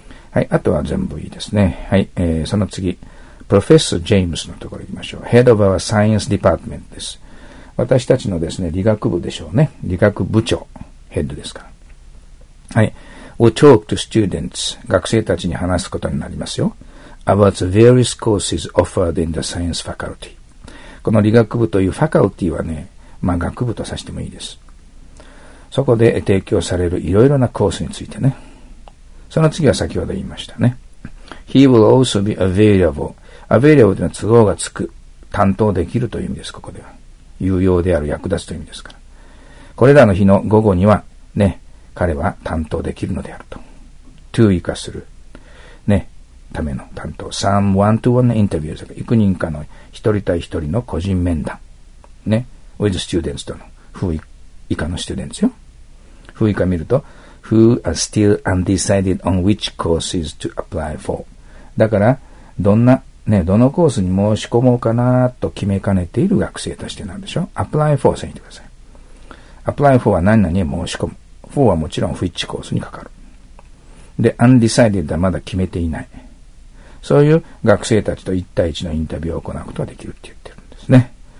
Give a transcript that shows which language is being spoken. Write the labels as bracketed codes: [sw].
[ja] はい。あとは全部いいですね。はい。その次。プロフェッサー・ジェームスのところ行きましょう。 [en] Head of our Science Department です。 [ja] 私たちのですね、理学部でしょうね。理学部長。ヘッドですから。はい。 [en] We'll talk to students. [ja] 学生たちに話すことになりますよ。 [en] About the various courses offered in the science faculty. [ja] この理学部というファカルティはね、まあ学部とさせてもいいです。そこで提供されるいろいろなコースについてね。その次は先ほど言いましたね。 [en] He will also be available. Available [ja] というのは都合がつく。担当できるという意味です、ここでは。有用である、役立つという意味ですから。これらの日の午後には、ね、彼は担当できるのであると。 to 以下する、ね、ための担当。 [en] some one-to-one interviews. [ja] 幾人かの一人対一人の個人面談。ね、 [en] with students [ja] との。who 以下の students よ。 [en] who [ja] 以下見ると、 [en] who are still undecided on which courses to apply for. [ja] だから、どんなね、どのコースに申し込もうかなと決めかねている学生としてなんでしょう。 apply for を選んでください。apply for は何々へ申し込む。 for はもちろん which コースにかかる。で、undecided はまだ決めていない。そういう学生たちと一対一のインタビューを行うことができるって言ってるんですね。